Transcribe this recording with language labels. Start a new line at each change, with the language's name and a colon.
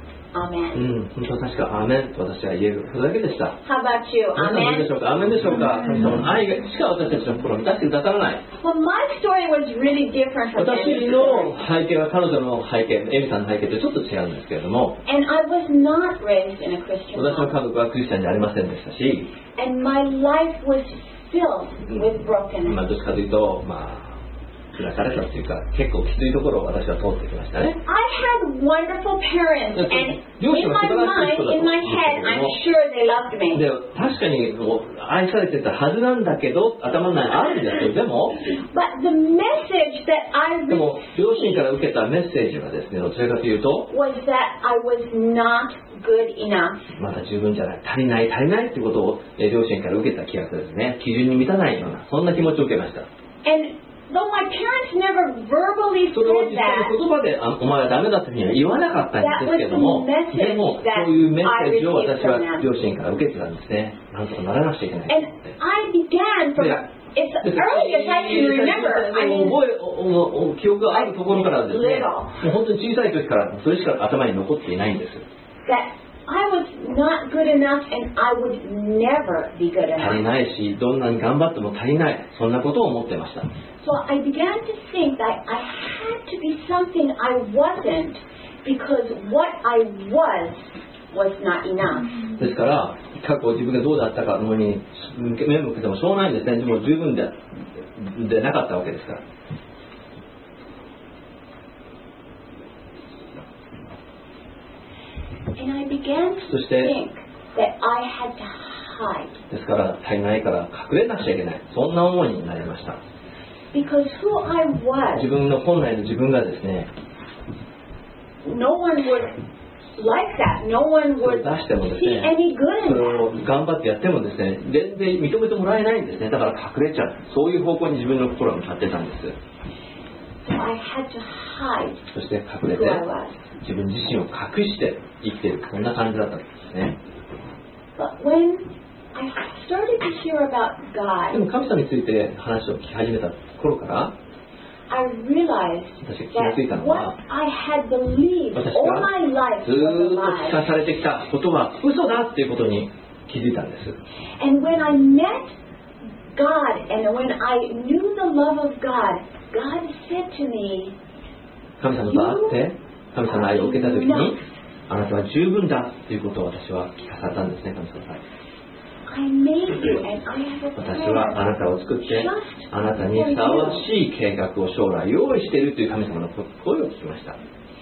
Japanese: 本当確かアーメンと私は言えるそれだけでした。
English: How about you?
Japanese: アーメンでしょうか。アーメンでしょうか。神様の愛しか私たちの心を満たしてくださらない。私の背景は彼女の背景、エミさんの背景とちょっと違うんですけれども。
English: And I was not raised in a Christian home.
Japanese: 私の家族はクリスチャンじゃありませんでしたし。
English: And my life was filled with brokenness.
Japanese: どっちかというと、まあ。暮らされたというか結構きついところを私は通ってきましたね。
English: I had wonderful parents and in my mind, in my head, I'm sure they loved me.
Japanese: で確かに愛されてたはずなんだけど頭の中にあるんだけど、でも
English: But the message that I received,
Japanese: でも両親から受けたメッセージはですね、どちらかというと
English: was that I was not good enough.
Japanese: まだ十分じゃない、足りない足りないってことを両親から受けた気がするんですね。基準に満たないようなそんな気持ちを受けました。
English: AndThough my parents never verbally said that.
Japanese: それは実際の言葉でお前はダメだというふうには言わなかったんですけれども、でもそういうメッセージを私は両親から受けてたんですね。なんとかならなくちゃいけない。
English: And I began from It's early as I can remember.
Japanese: 記憶があるところからですね、もう本当に小さい時からそれしか頭に残っていないんです。
English: ThatI was not good enough, and I would never be good enough.
Japanese: 足りないし、どんなに頑張っても足りない。そんなことを思ってました。
English: So I began to think that I had to be something I wasn't, because what I was was not enough.
Japanese: ですから、過去自分がどうだったかのように目を向けてもしょうがないんですね。でも十分でなかったわけですから。
English: And I began to think that I had to hide.
Japanese: ですから足りないから隠れなくちゃいけない、そんな思いになりました。
English: Because who I was,
Japanese: 自分の本来の自分がですね、
English: No one would like that. No one would
Japanese: 出してもですね、
English: see any good in that.
Japanese: それを頑張ってやってもですね、全然認めてもらえないんですね。だから隠れちゃう、そういう方向に自分の心が立ってたんです。
English: So I had to hide.
Japanese: そして隠れて自分自身を隠して生きている、こんな感じだったんですね。
English: But when I started to hear about God,
Japanese: でも神様について話を聞き始めた頃から
English: I realized
Japanese: 私が気がついたのは、
English: what I had believed all my life was a lie.
Japanese: 私がずっと聞かされてきたことは嘘だっていうことに気づいたんです。
English: And when I met God and when I knew the love of God, God said to me,
Japanese: 神様と会って神様の愛を受けた時に、あなたは十分だということを私は聞かされたんですね。神様さん、私はあなたを作ってあなたにふさわしい計画を将来用意しているという神様の声を聞きました。